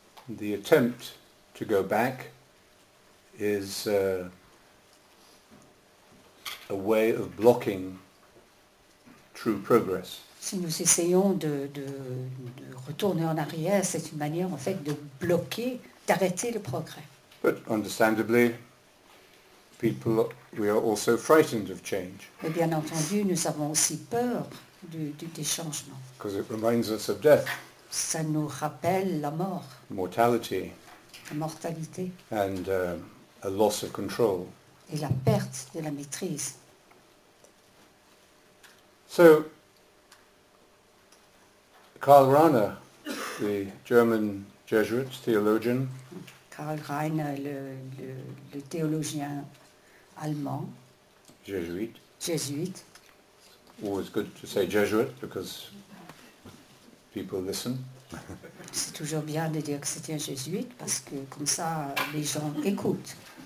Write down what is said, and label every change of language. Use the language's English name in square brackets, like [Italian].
[English] The attempt to go back is a way of blocking true progress. [French] Si nous essayons de retourner en arrière, c'est une manière en fait de bloquer, d'arrêter le progrès. [English] But understandably, people, we are also frightened of change. [French] Et bien entendu, nous avons aussi peur des changements. [English] Because it reminds us of death. [French] Ça nous rappelle la mort. [English] Mortality. [French] La mortalité. [English] And a loss of control. [French] Et la perte de la maîtrise. [English] So, Karl Rahner, the German Jesuit theologian. [French] Karl Rahner, le théologien allemand. [English] Jesuit. Jesuit. Always good to say Jesuit because people listen. [French] C'est toujours bien de dire que c'est un jésuite parce que comme ça les gens écoutent.